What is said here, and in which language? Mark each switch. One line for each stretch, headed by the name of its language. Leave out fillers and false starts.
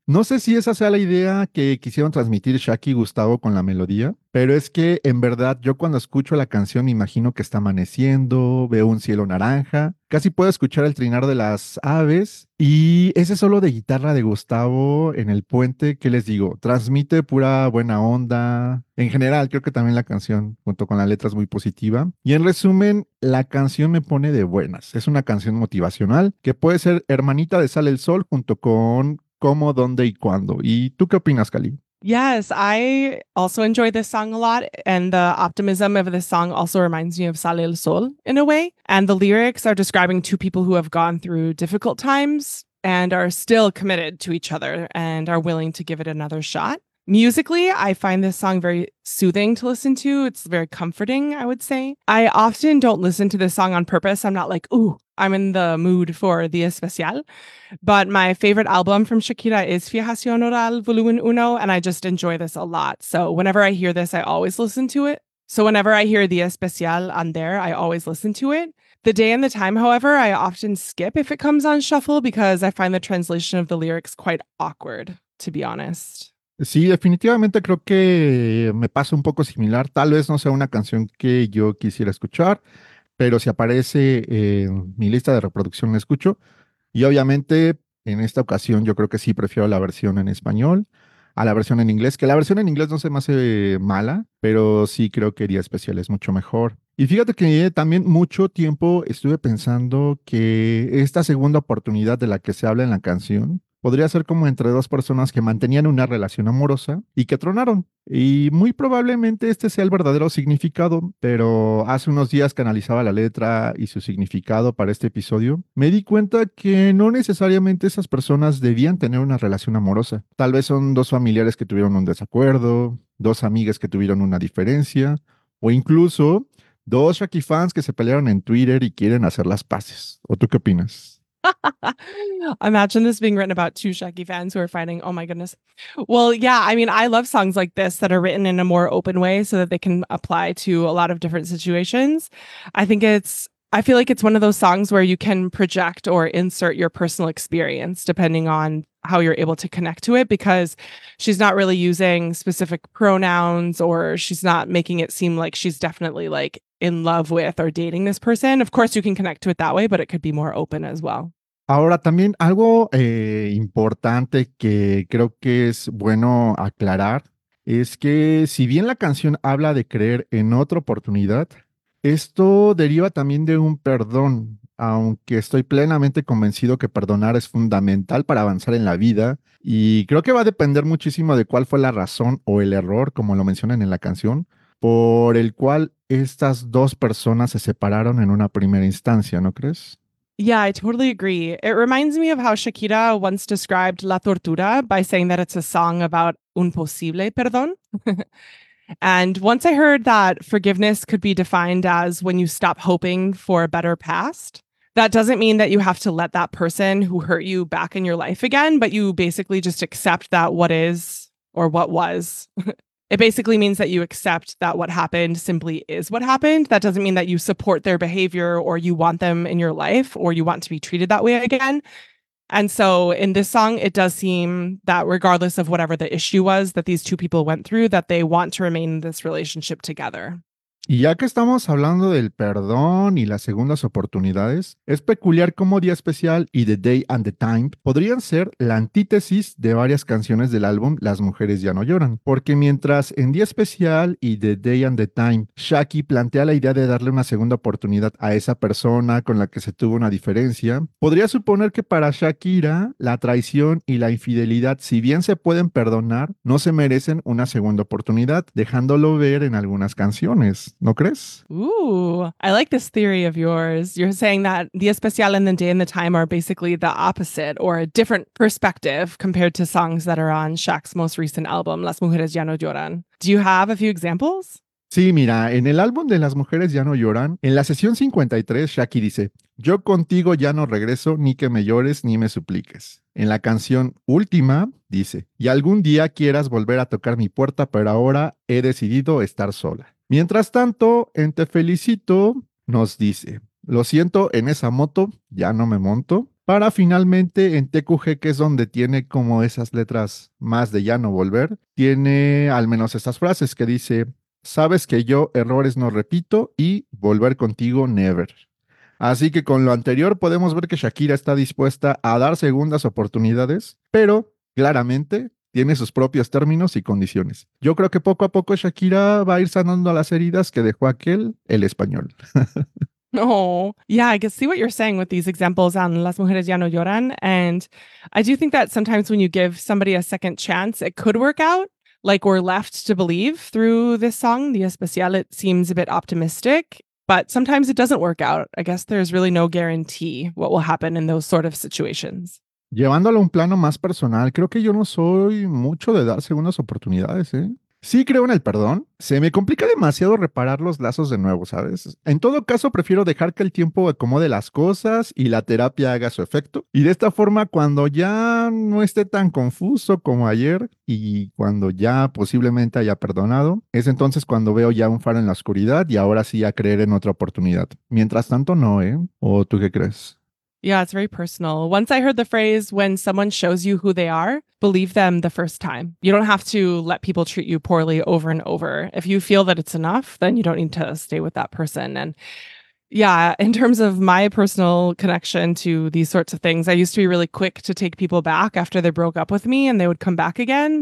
Spanish: No sé si esa sea la idea que quisieron transmitir Shaki y Gustavo con la melodía, pero es que en verdad yo cuando escucho la canción me imagino que está amaneciendo, veo un cielo naranja, casi puedo escuchar el trinar de las aves y ese solo de guitarra de Gustavo en el puente, ¿qué les digo? Transmite pura buena onda. En general, creo que también la canción, junto con la letra, es muy positiva. Y en resumen, la canción me pone de buenas. Es una canción motivacional que puede ser hermanita de Sale el Sol junto con Cómo, Dónde y Cuándo. ¿Y tú qué opinas, Cali?
English: Yes, I also enjoy this song a lot, and the optimism of this song also reminds me of Sale el Sol in a way. And the lyrics are describing two people who have gone through difficult times and are still committed to each other and are willing to give it another shot. Musically, I find this song very soothing to listen to. It's very comforting, I would say. I often don't listen to this song on purpose. I'm not like, ooh, I'm in the mood for Día Especial. But my favorite album from Shakira is Fijación Oral Volumen 1, and I just enjoy this a lot. So whenever I hear this, I always listen to it. So whenever I hear Día Especial on there, I always listen to it. The Day and the Time, however, I often skip if it comes on shuffle because I find the translation of the lyrics quite awkward, to be honest.
Spanish: Sí, definitivamente creo que me pasa un poco similar. Tal vez no sea una canción que yo quisiera escuchar, pero si aparece en mi lista de reproducción la escucho. Y obviamente en esta ocasión yo creo que sí prefiero la versión en español a la versión en inglés. Que la versión en inglés no se me hace mala, pero sí creo que Día Especial es mucho mejor. Y fíjate que también mucho tiempo estuve pensando que esta segunda oportunidad de la que se habla en la canción podría ser como entre dos personas que mantenían una relación amorosa y que tronaron. Y muy probablemente este sea el verdadero significado, pero hace unos días que analizaba la letra y su significado para este episodio, me di cuenta que no necesariamente esas personas debían tener una relación amorosa. Tal vez son dos familiares que tuvieron un desacuerdo, dos amigas que tuvieron una diferencia, o incluso dos Shaki fans que se pelearon en Twitter y quieren hacer las paces. ¿O tú qué opinas?
English: Imagine this being written about two Shaki fans who are fighting. Oh my goodness. Well, yeah, I mean, I love songs like this that are written in a more open way so that they can apply to a lot of different situations. I feel like it's one of those songs where you can project or insert your personal experience depending on how you're able to connect to it, because she's not really using specific pronouns or she's not making it seem like she's definitely like in love with or dating this person. Of course, you can connect to it that way, but it could be more open as well.
Spanish: Ahora también algo importante que creo que es bueno aclarar es que si bien la canción habla de creer en otra oportunidad, esto deriva también de un perdón, aunque estoy plenamente convencido que perdonar es fundamental para avanzar en la vida y creo que va a depender muchísimo de cuál fue la razón o el error, como lo mencionan en la canción, por el cual estas dos personas se separaron en una primera instancia, ¿no crees?
English: Yeah, I totally agree. It reminds me of how Shakira once described La Tortura by saying that it's a song about
Spanish: un posible perdón.
English: And once I heard that forgiveness could be defined as when you stop hoping for a better past, that doesn't mean that you have to let that person who hurt you back in your life again, but you basically just accept that what is or what was. It basically means that you accept that what happened simply is what happened. That doesn't mean that you support their behavior or you want them in your life or you want to be treated that way again. And so in this song, it does seem that regardless of whatever the issue was that these two people went through, that they want to remain in this relationship together.
Spanish: Y ya que estamos hablando del perdón y las segundas oportunidades, es peculiar cómo Día Especial y The Day and the Time podrían ser la antítesis de varias canciones del álbum Las Mujeres Ya No Lloran. Porque mientras en Día Especial y The Day and the Time, Shaki plantea la idea de darle una segunda oportunidad a esa persona con la que se tuvo una diferencia, podría suponer que para Shakira, la traición y la infidelidad, si bien se pueden perdonar, no se merecen una segunda oportunidad, dejándolo ver en algunas canciones. ¿No crees?
English: Ooh, I like this theory of yours. You're saying that Día Especial and The Day and the Time are basically the opposite or a different perspective compared to songs that are on Shaq's most recent album, Las Mujeres Ya No Lloran. Do you have a few examples?
Spanish: Sí, mira, en el álbum de Las Mujeres Ya No Lloran, en la sesión 53, Shaki dice, yo contigo ya no regreso, ni que me llores, ni me supliques. En la canción última, dice, y algún día quieras volver a tocar mi puerta, pero ahora he decidido estar sola. Mientras tanto, en Te Felicito, nos dice, lo siento, en esa moto, ya no me monto. Para finalmente, en TQG, que es donde tiene como esas letras más de ya no volver, tiene al menos estas frases que dice, sabes que yo errores no repito y volver contigo
English: never.
Spanish: Así que con lo anterior podemos ver que Shakira está dispuesta a dar segundas oportunidades, pero claramente tiene sus propios términos y condiciones. Yo creo que poco a poco Shakira va a ir sanando las heridas que dejó aquel, el español.
English: Oh, yeah, I can see what you're saying with these examples on Las Mujeres Ya No Lloran. And I do think that sometimes when you give somebody a second chance, it could work out. Like we're left to believe through this song, Día Especial, it seems a bit optimistic. But sometimes it doesn't work out. I guess there's really no guarantee what will happen in those sort of situations.
Spanish: Llevándolo a un plano más personal, creo que yo no soy mucho de dar segundas oportunidades, ¿eh? Sí creo en el perdón. Se me complica demasiado reparar los lazos de nuevo, ¿sabes? En todo caso, prefiero dejar que el tiempo acomode las cosas y la terapia haga su efecto. Y de esta forma, cuando ya no esté tan confuso como ayer y cuando ya posiblemente haya perdonado, es entonces cuando veo ya un faro en la oscuridad y ahora sí a creer en otra oportunidad. Mientras tanto, no, ¿eh? ¿O tú qué crees?
English: Yeah, it's very personal. Once I heard the phrase, when someone shows you who they are, believe them the first time. You don't have to let people treat you poorly over and over. If you feel that it's enough, then you don't need to stay with that person. And yeah, in terms of my personal connection to these sorts of things, I used to be really quick to take people back after they broke up with me and they would come back again.